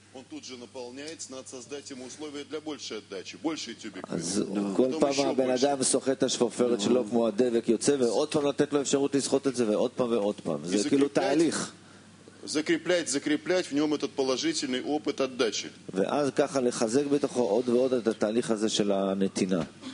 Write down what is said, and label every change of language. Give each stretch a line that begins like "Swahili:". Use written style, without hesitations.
Russian: Тут же наполняется, надо создать ему условия для большей отдачи, больший тюбик.
Hebrew: כל פעם הבן אדם סוחט השפופרת שלו כמו הדבק יוצא ועוד פעם לתת לו אפשרות לסחוט את זה ועוד פעם ועוד פעם. זה כאילו תהליך.
Russian: закреплять в нем этот положительный опыт отдачи.
Hebrew: ואז ככה לחזק בתוכו עוד ועוד את התהליך הזה של הנתינה.